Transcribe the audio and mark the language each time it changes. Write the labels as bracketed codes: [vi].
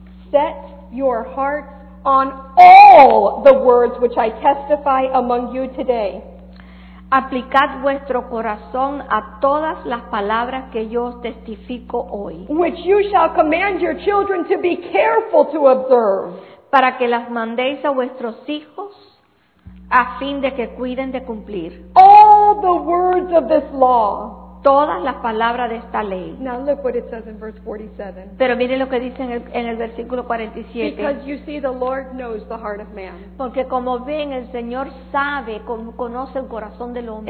[en] set your hearts on all the words which I testify among you today. [es] Aplicad vuestro corazón a todas las palabras que yo os testifico hoy. [en] Which you shall command your children to be careful to observe. [es] Para que las mandéis a vuestros hijos a fin de que cuiden de cumplir. [en] All the words of this law. [es] Todas las palabras de esta ley. [en] Now look what it says in verse 47. [es] Pero mire lo que dice en el versículo 47. [en] Because you see the Lord knows the heart of man. [es] Porque como ven, el Señor sabe, conoce el corazón del hombre.